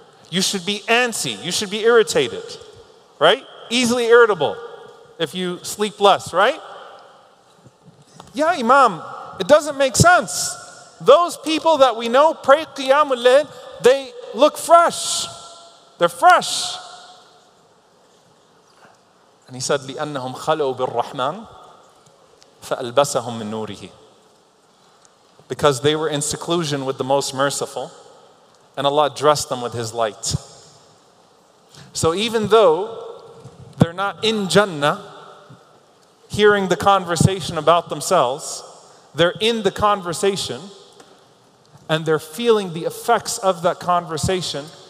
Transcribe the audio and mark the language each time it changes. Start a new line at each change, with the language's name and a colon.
English: You should be antsy. You should be irritated, right? Easily irritable if you sleep less, right? Yeah, Imam. It doesn't make sense. Those people that we know pray Qiyamul Layl, they look fresh. They're fresh. And he said,
Arabic: لِأَنَّهُمْ خَلَوْا بِالرَّحْمَنِ فَأَلْبَسَهُمْ مِنْ نُورِهِ.
English: Because they were in seclusion with the Most Merciful, and Allah dressed them with His light. So even though they're not in Jannah, hearing the conversation about themselves, they're in the conversation and they're feeling the effects of that conversation.